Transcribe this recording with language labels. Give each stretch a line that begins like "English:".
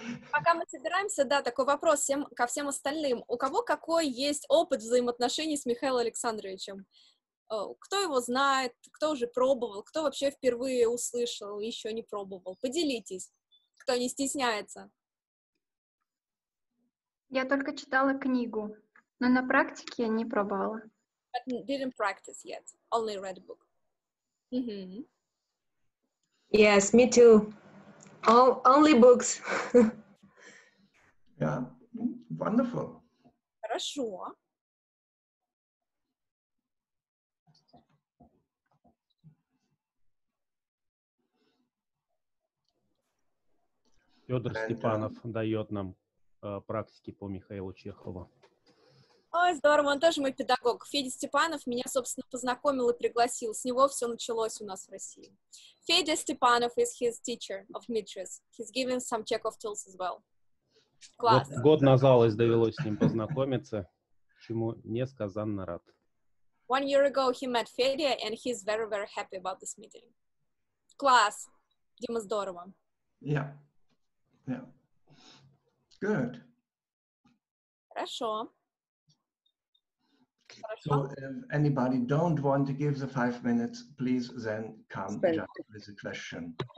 Russian: Пока мы собираемся, да, такой вопрос всем, ко всем остальным. У кого какой есть опыт взаимоотношений с Михаилом Александровичем? Кто его знает, кто уже пробовал, кто вообще впервые услышал, еще не пробовал? Поделитесь, кто не стесняется. Я только читала книгу, но на практике я не пробовала.
English: But didn't practice yet, only read a book. Mm-hmm. Yes, me too. Only books. Yeah, wonderful.
Russian: Хорошо. Фёдор Степанов дает нам практики по Михаилу Чехову. Ой, здорово, он тоже мой педагог. Федя Степанов меня, собственно, познакомил и пригласил. С него все началось у нас в России.
English: Федя Степанов is his teacher of Mitris. He's given some Chekhov tools as well.
Russian: Класс. Вот год назад довелось с ним познакомиться, чему несказанно рад.
English: One year ago he met Федя, and he's very, very happy about this meeting.
Russian: Класс. Дима, здорово.
English: Yeah. Yeah. Good.
Russian: Хорошо.
English: So if anybody don't want to give the 5 minutes, please then come with a question.